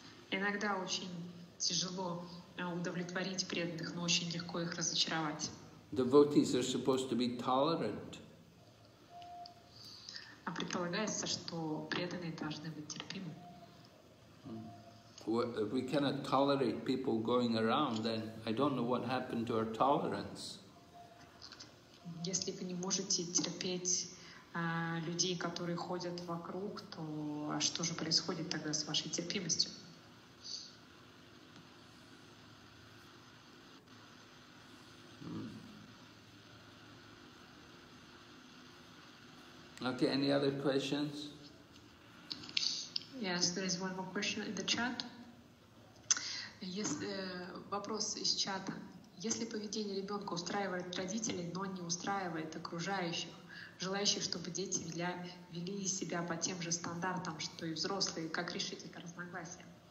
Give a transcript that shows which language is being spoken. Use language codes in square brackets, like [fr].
[ru] Иногда очень тяжело удовлетворить преданных, но очень легко их разочаровать. [en] Devotees are supposed to be tolerant. [ru] А предполагается, что преданные должны быть терпимы. [en] If we cannot tolerate people going around, then I don't know what happened to our tolerance. [ru] Если вы не можете терпеть людей, которые ходят вокруг, то а что же происходит тогда с вашей терпимостью? [en] Okay, any other questions? Yes, there is one more question in the chat. [ru] Yes, вопрос из чата. Если поведение ребенка устраивает родителей, но не устраивает окружающих, желающих, чтобы дети вели себя по тем же стандартам, что и взрослые, как решить это разногласие?